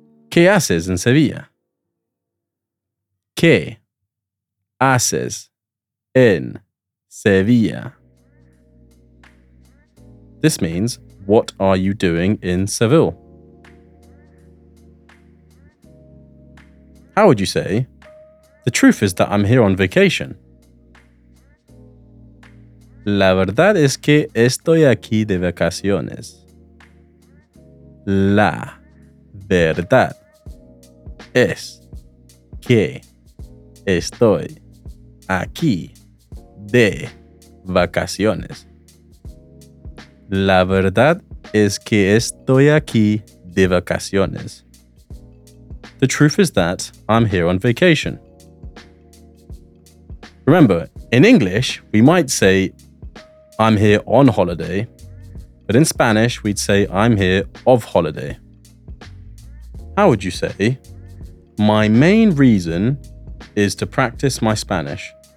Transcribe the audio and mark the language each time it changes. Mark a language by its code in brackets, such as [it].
[es] ¿Qué haces en Sevilla? ¿Qué haces en Sevilla? [en] This means, what are you doing in Seville? How would you say, the truth is that I'm here on vacation? [es] La verdad es que estoy aquí de vacaciones. La verdad es que estoy aquí de vacaciones. La verdad es que estoy aquí de vacaciones. [en] The truth is that I'm here on vacation. Remember, in English, we might say, I'm here on holiday, but in Spanish, we'd say, I'm here of holiday. How would you say, my main reason is to practice my Spanish?